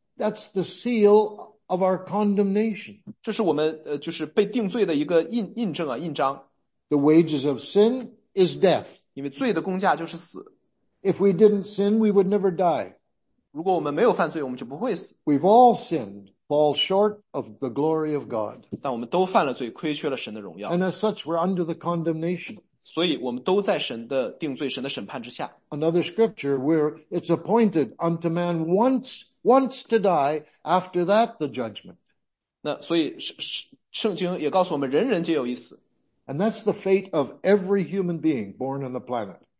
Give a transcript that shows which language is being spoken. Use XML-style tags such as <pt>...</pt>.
<en>That's the seal of our condemnation.</en> <zh>这是我们就是被定罪的一个印证啊，印章。</zh> <en>The wages of sin is death.</en> <zh>因为罪的工价就是死。</zh> <en>If we didn't sin, we would never die.</en> <zh>如果我们没有犯罪，我们就不会死。</zh> <en>We've all sinned, fall short of the glory of God.</en> <zh>但我们都犯了罪，亏缺了神的荣耀。</zh> <en>And as such, we're under the condemnation.</en> <zh>所以我们都在神的定罪，神的审判之下。</zh> <en>Another scripture where it's appointed unto man once to die, after that the judgment.</en> <zh>那所以圣经也告诉我们，人人皆有一死。</zh> <en>And that's the fate of every human being born on the planet.</en>